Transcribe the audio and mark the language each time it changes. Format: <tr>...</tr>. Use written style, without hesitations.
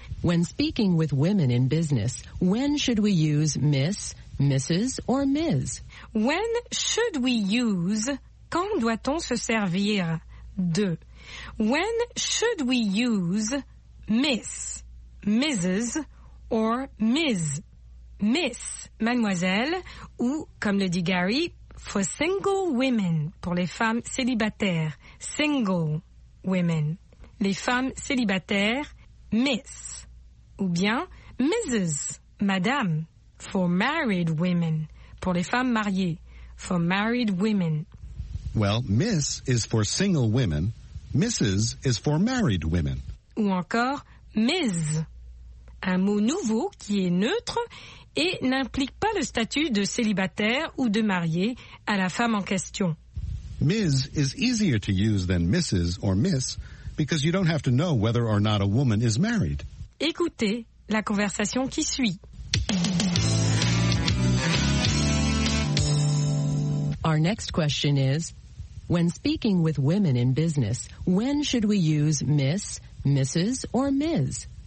<en>When speaking with women in business, when should we use Miss, Mrs. or Ms? When should we use,</en> <fr>quand doit-on se servir de?</fr> <en>When should we use Miss, Mrs, or Ms?</en> <fr>Miss, mademoiselle, ou, comme le dit Gary,</fr> <en>for single women,</en> <fr>pour les femmes célibataires.</fr> <en>Single women.</en> <fr>Les femmes célibataires, Miss. Ou bien, Mrs, madame,</fr> <en>for married women,</en> <fr>pour les femmes mariées.</fr> <en>For married women. Well, Miss is for single women. Mrs is for married women.</en> <fr>Ou encore, Ms. Un mot nouveau qui est neutre et n'implique pas le statut de célibataire ou de marié à la femme en question.</fr> <en>Ms. is easier to use than Mrs. or Miss because you don't have to know whether or not a woman is married.</en> <fr>Écoutez la conversation qui suit.</fr> <en>Our next question is, when speaking with women in business, when should we use Miss, Mrs., or Ms.?</en>